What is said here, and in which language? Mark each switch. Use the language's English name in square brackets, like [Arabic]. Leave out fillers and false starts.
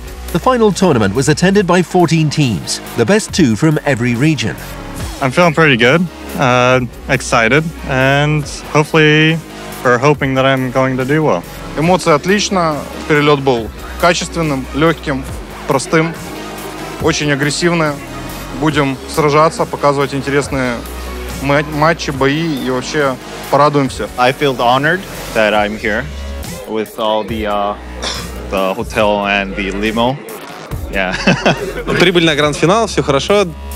[English] The final tournament was attended by 14 teams, the best two from every region. I'm feeling pretty good, excited, and hopefully, or hoping that I'm going to do well. [Russian] Эмоции отлично. Перелет был качественным, легким, простым, очень агрессивным. Будем сражаться, показывать интересные матчи, бои и вообще порадуемся. [English] I feel honored that I'm here with all the hotel and the limo. Yeah. [Russian] Прибыли на гранд-финал, все хорошо.